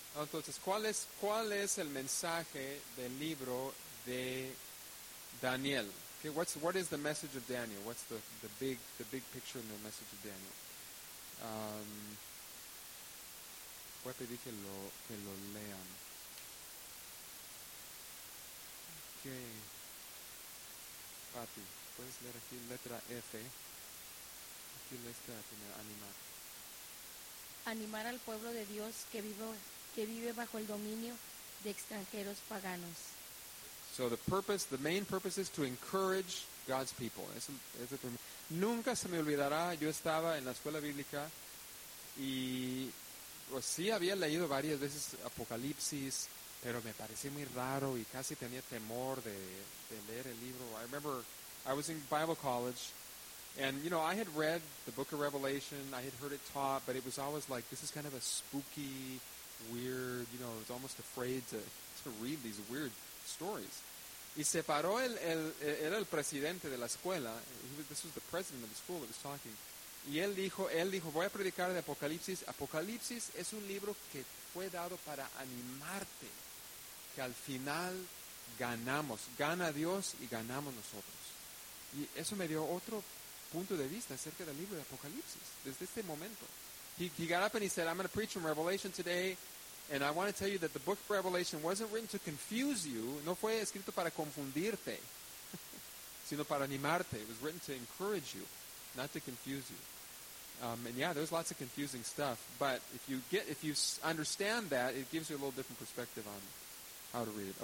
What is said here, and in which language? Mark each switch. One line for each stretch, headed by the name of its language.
Spanish: Entonces, ¿cuál es el mensaje del libro de Daniel?
English: Okay, what is the message of Daniel? What's the big picture in the message of Daniel?
Spanish: Voy a pedir que lo lean. Okay. Pati, puedes leer aquí letra F. Aquí letra F, animar. Animar al pueblo de Dios que vive bajo el dominio de extranjeros paganos.
English: So the main purpose is to encourage God's people.
Spanish: Nunca se me olvidará, yo estaba en la escuela bíblica y pues sí había leído varias veces Apocalipsis, pero me parecía muy raro y casi tenía temor de leer el libro.
English: I remember I was in Bible college and, you know, I had read the book of Revelation, I had heard it taught, but it was always like, this is kind of a spooky, weird, you know, it's almost afraid to read these weird stories.
Spanish: Y se paró el presidente de la escuela.
English: This was the president of the school that was talking.
Spanish: Y él dijo, voy a predicar de Apocalipsis. Apocalipsis es un libro que fue dado para animarte, que al final ganamos. Gana Dios y ganamos nosotros. Y eso me dio otro punto de vista acerca del libro de Apocalipsis. Desde este momento.
English: He got up and he said, I'm going to preach from Revelation today. And I want to tell you that the book of Revelation wasn't written to confuse you.
Spanish: No fue escrito para confundirte, sino para animarte.
English: It was written to encourage you, not to confuse you. And yeah, there's lots of confusing stuff. But if you understand that, it gives you a little different perspective on how to read it.